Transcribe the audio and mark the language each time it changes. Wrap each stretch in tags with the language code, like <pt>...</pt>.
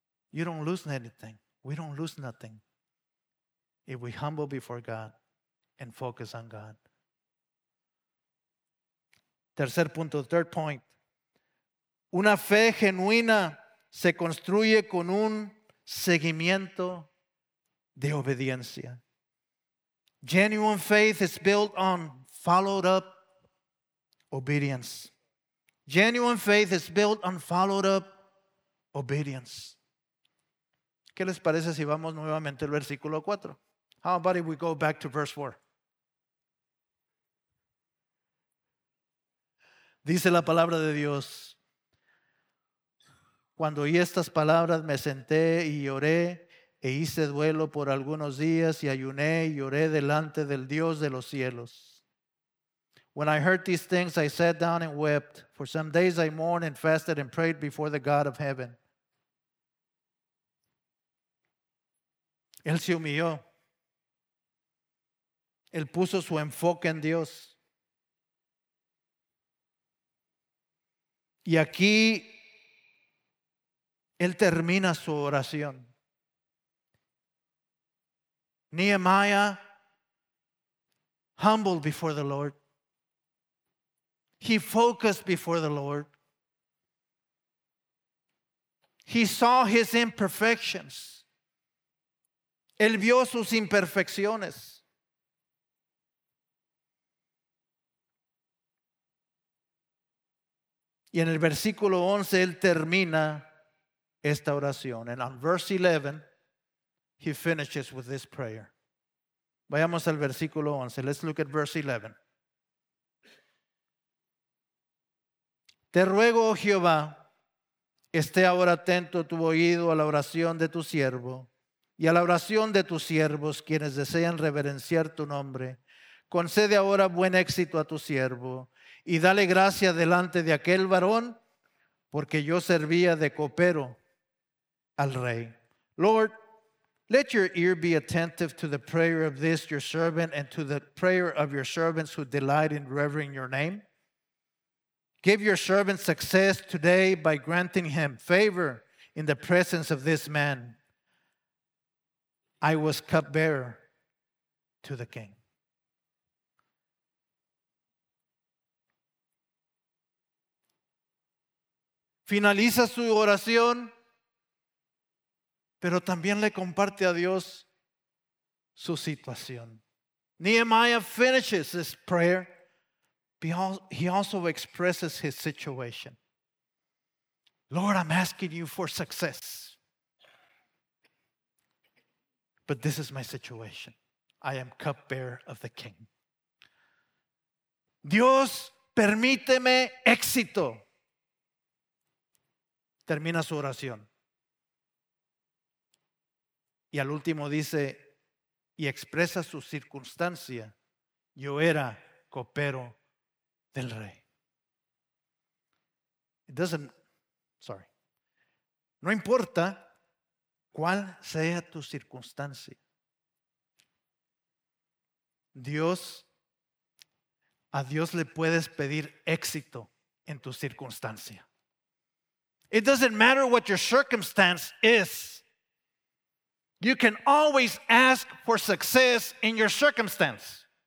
<en>You don't lose anything. We don't lose nothing if we humble before God and focus on God.</en> <es>Tercer punto,</es> <en>third point.</en> <es>Una fe genuina se construye con un seguimiento de obediencia.</es> <en>Genuine faith is built on followed up obedience. Genuine faith is built on followed up obedience.</en> <es>¿Qué les parece si vamos nuevamente al versículo 4?</es> <en>How about if we go back to verse 4?</en> <es>Dice la palabra de Dios. Cuando oí estas palabras, me senté y lloré e hice duelo por algunos días y ayuné y lloré delante del Dios de los cielos.</es> <en>When I heard these things, I sat down and wept. For some days I mourned and fasted and prayed before the God of heaven.</en> <es>Él se humilló. Él puso su enfoque en Dios. Y aquí, él termina su oración.</es> <en>Nehemiah humbled before the Lord. He focused before the Lord. He saw his imperfections.</en> <es>Él vio sus imperfecciones. Y en el versículo 11, él termina esta oración.</es> <en>And on verse 11, he finishes with this prayer.</en> <es>Vayamos al versículo 11.</es> <en>Let's look at verse 11.</en> <es>Te ruego, oh Jehová, esté ahora atento tu oído a la oración de tu siervo y a la oración de tus siervos quienes desean reverenciar tu nombre. Concede ahora buen éxito a tu siervo y dale gracia delante de aquel varón porque yo servía de copero al rey.</es> <en>Lord, let your ear be attentive to the prayer of this your servant and to the prayer of your servants who delight in revering your name. Give your servant success today by granting him favor in the presence of this man. I was cupbearer to the king. Finaliza su oración, pero también le comparte a Dios su situación. Nehemiah finishes his prayer. He also expresses his situation. Lord, I'm asking you for success. But this is my situation. I am cupbearer of the king.</en> <es>Dios, permíteme éxito. Termina su oración. Y al último dice, y expresa su circunstancia. Yo era copero del rey. No importa cuál sea tu circunstancia, a Dios le puedes pedir éxito en tu circunstancia.</es> <en>It doesn't matter what your circumstance is. You can always ask for success in your circumstance.</en>